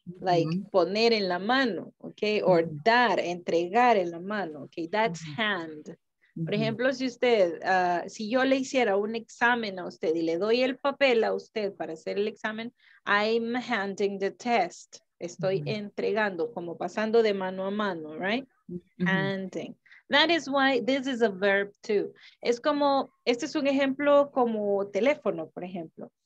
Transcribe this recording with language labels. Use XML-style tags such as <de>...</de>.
<es>Like poner en la mano, ¿ok? O dar, entregar en la mano, ¿ok? That's hand. Por ejemplo, si usted, si yo le hiciera un examen a usted y le doy el papel a usted para hacer el examen,</es> <en>I'm handing the test.</en> <es>Estoy entregando, como pasando de mano a mano, right?</es> <en>Handing. That is why this is a verb too.</en> <es>Es como, este es un ejemplo como teléfono, por ejemplo.</es>